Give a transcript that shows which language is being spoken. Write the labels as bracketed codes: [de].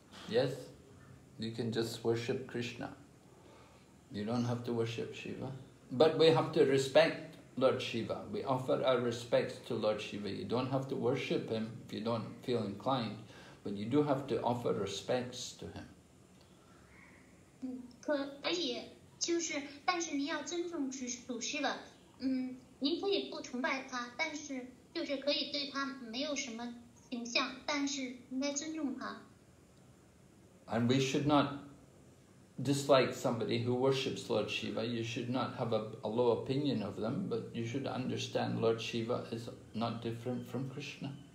[en] Yes, you can just worship Krishna. You don't have to worship Shiva. But we have to respect Lord Shiva. We offer our respects to Lord Shiva. You don't have to worship him if you don't feel inclined. But you do have to offer respects to him. [zh] 可以，就是，但是你要尊重主 Shiva。您可以不崇拜他，但是就是可以对他没有什么形象，但是应该尊重他。 [en] And we should not dislike somebody who worships Lord Shiva. You should not have a low opinion of them, but you should understand Lord Shiva is not different from Krishna.